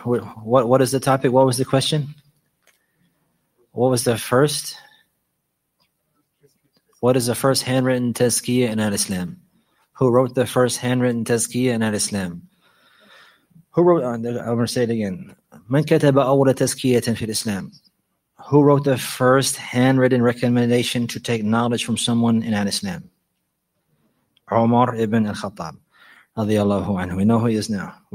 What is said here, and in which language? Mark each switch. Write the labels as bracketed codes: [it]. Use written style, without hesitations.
[en] What is the topic? What was the question? What was the first? What is the first handwritten tazkiyah in al-Islam? Who wrote the first handwritten tazkiyah in al-Islam? Who wrote, I'm going to say it again. [ar] من كتب أول تزكية في الإسلام? [en] Who wrote the first handwritten recommendation to take knowledge from someone in Al-Islam? Umar ibn al-Khattab radiallahu anhu. We know who he is now.